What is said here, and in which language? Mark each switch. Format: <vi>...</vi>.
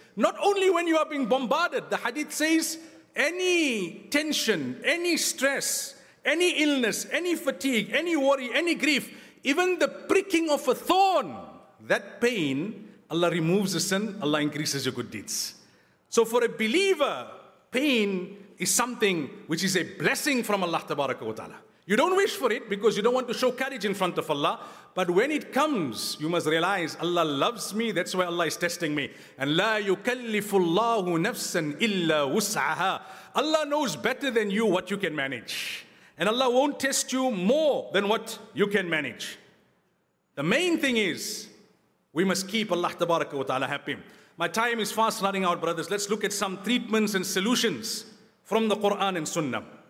<en>Not only when you are being bombarded. The hadith says, any tension, any stress, any illness, any fatigue, any worry, any grief, even the pricking of a thorn, that pain, Allah removes the sin, Allah increases your good deeds. So for a believer, pain is something which is a blessing from Allah tabaraka wa ta'ala. You don't wish for it because you don't want to show courage in front of Allah. But when it comes, you must realize Allah loves me. That's why Allah is testing me. And</en> <ar>لا يكلف الله نفسا إلا وسعها.</ar> <en>Allah knows better than you what you can manage. And Allah won't test you more than what you can manage. The main thing is, we must keep Allah tabaraka wa ta'ala happy. My time is fast running out, brothers. Let's look at some treatments and solutions from the Quran and Sunnah.</en>